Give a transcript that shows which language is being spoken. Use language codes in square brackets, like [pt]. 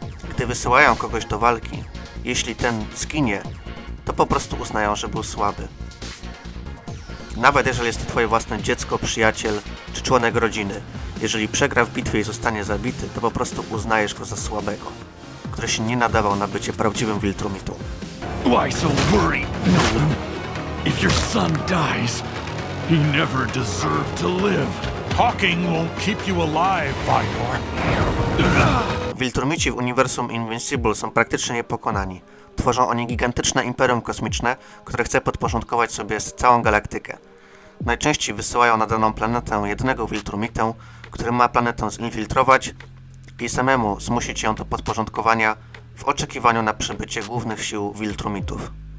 [pl] Gdy wysyłają kogoś do walki, jeśli ten zginie, to po prostu uznają, że był słaby. Nawet jeżeli jest to twoje własne dziecko, przyjaciel czy członek rodziny, jeżeli przegra w bitwie i zostanie zabity, to po prostu uznajesz go za słabego, który się nie nadawał na bycie prawdziwym Viltrumitą. [en] Why so worried, Nolan? If your son dies, he never deserved to live. Talking won't keep you alive, Vigor. [pl] Viltrumici w uniwersum Invincible są praktycznie niepokonani. Tworzą oni gigantyczne imperium kosmiczne, które chce podporządkować sobie całą galaktykę. Najczęściej wysyłają na daną planetę jednego Viltrumitę, który ma planetę zinfiltrować i samemu zmusić ją do podporządkowania w oczekiwaniu na przybycie głównych sił Viltrumitów.